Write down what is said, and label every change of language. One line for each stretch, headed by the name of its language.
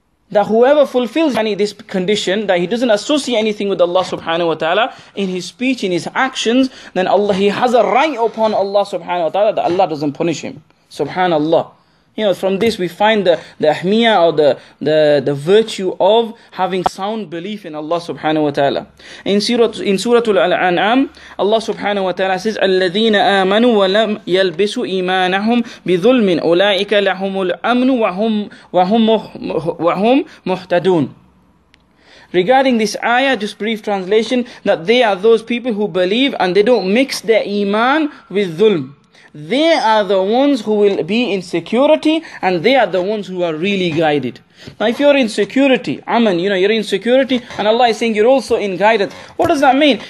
English: That whoever fulfills any this condition, that he doesn't associate anything with Allah subhanahu wa ta'ala in his speech, in his actions, then Allah, he has a right upon Allah subhanahu wa ta'ala that Allah doesn't punish him. Subhanallah. You know, from this we find the ahmiya, or the virtue of having sound belief in Allah subhanahu wa ta'ala. In Suratul Al-An'am, Allah subhanahu wa ta'ala says,
Arabic: الَّذِينَ آمَنُوا وَلَمْ يَلْبِسُوا إِيمَانَهُمْ بِظُلْمٍ أُولَٰئِكَ لَهُمُ الْأَمْنُ وَهُمْ مُحْتَدُونَ.
English: Regarding this ayah, just brief translation, that they are those people who believe and they don't mix their iman with zulm. They are the ones who will be in security, and they are the ones who are really guided. Now if you're in security, aman, you know, you're in security, and Allah is saying you're also in guidance. What does that mean?